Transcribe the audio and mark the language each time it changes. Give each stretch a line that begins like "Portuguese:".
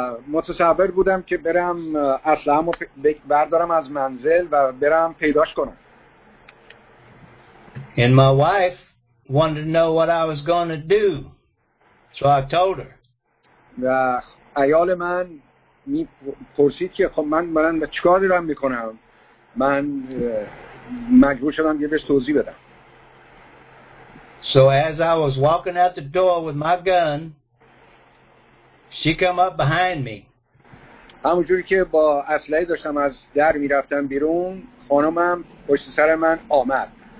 Persian: متصور بودم که برم اسلحه‌مو بردارم از منزل و برم پیداش کنم.
English: And my wife wanted to know what I was going to do. So I told her.
Persian: و عیال من میپرسید که خب من چیکار دارم میکنم؟ من مجبور شدم یه بهش توضیح بدم.
English: So as I was walking out the door with my gun, she came up behind me.
Persian: همونجوری که با اسلحه داشتم از در میرفتم بیرون، خانمم پشت سر من آمد.